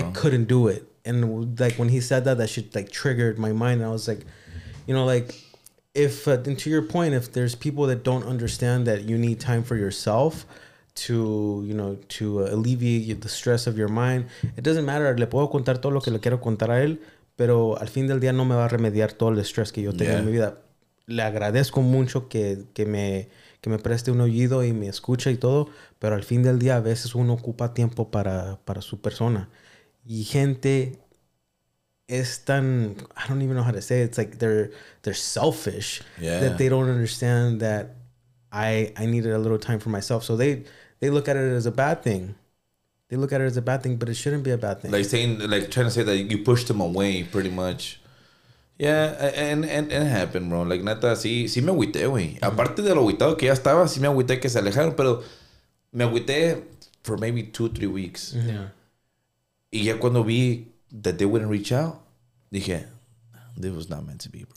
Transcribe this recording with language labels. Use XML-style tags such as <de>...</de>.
<en>I couldn't do it. And like when he said that shit like triggered my mind. I was like, you know, like, if and to your point, if there's people that don't understand that you need time for yourself to, you know, to alleviate the stress of your mind, it doesn't matter.</en> <es>Le puedo contar todo lo que le quiero contar a él, pero al fin del día no me va a remediar todo el estrés que yo tengo en mi vida. Le agradezco mucho que me preste un oído y me escucha y todo, pero al fin del día a veces uno ocupa tiempo para su persona. Y gente es tan,</es> <en>I don't even know how to say it. It's like they're selfish that they don't understand that I needed a little time for myself. So they look at it as a bad thing. They look at it as a bad thing, but it shouldn't be a bad thing. Like saying, like trying to say that you pushed them away, pretty much. Yeah, and it happened, bro. Like,</en> <es>neta, sí me agüité, güey. Aparte de lo agüitado que ya estaba, sí me agüité que se alejaron, pero me agüité</es> <en>for maybe 2-3 weeks. Yeah.</en> <es>Y ya cuando vi</es> <en>that they wouldn't reach out,</en> <es>dije,</es> <en>this was not meant to be, bro.</en>